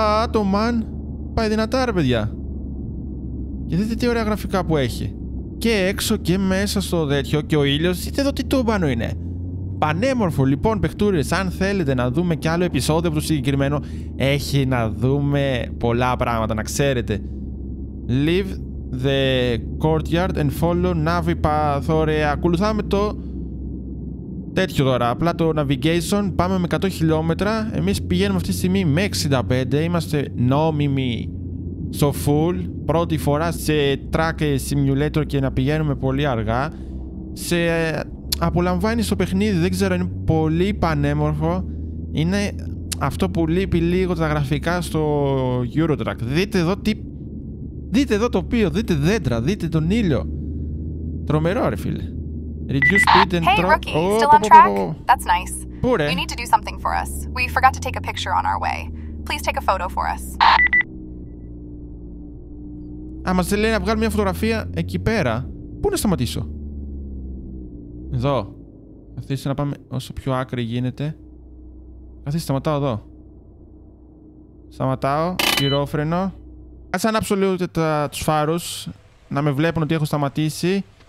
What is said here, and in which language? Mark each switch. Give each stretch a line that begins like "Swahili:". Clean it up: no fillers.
Greek: Το man πάει δυνατά ρε παιδιά. Και δείτε τι ωραία γραφικά που έχει. Και έξω και μέσα στο τέτοιο και ο ήλιος, δείτε εδώ τι τούμπανο είναι. Πανέμορφο λοιπόν παιχτούρες, αν θέλετε να δούμε κι άλλο επεισόδιο από το συγκεκριμένο, έχει να δούμε πολλά πράγματα, να ξέρετε.
English: Leave the courtyard and follow Navi path.
Greek: Ωραία, ακολουθάμε το τέτοιο τώρα, απλά το navigation, πάμε με 100 χιλιόμετρα. Εμείς πηγαίνουμε αυτή τη στιγμή με 65, είμαστε νόμιμοι στο full. Πρώτη φορά σε track simulator και να πηγαίνουμε πολύ αργά. Σε... απολαμβάνεις το παιχνίδι, δεν ξέρω, είναι πολύ πανέμορφο. Είναι αυτό που λείπει λίγο τα γραφικά στο Eurotruck. Δείτε εδώ τι... δείτε εδώ το τοπίο, δείτε δέντρα, δείτε τον ήλιο. Τρομερό ρε φίλε.
English: Reduce speed and track. Hey rookie, still on track? That's nice.
Greek: Πού ρε?
English: You need to do something for us. We forgot to take a picture on our way. Please take a photo for us.
Greek: Α, μας λέει να βγάλουμε μια φωτογραφία εκεί πέρα. Πού να σταματήσω? Εδώ. Καθίστε να πάμε όσο πιο άκρη γίνεται. Καθίστε, σταματάω εδώ. Σταματάω. Γυρόφρενο. Ας ανάψω λίγο τους φάρους. Να με βλέπουν ότι έχω σταματήσει.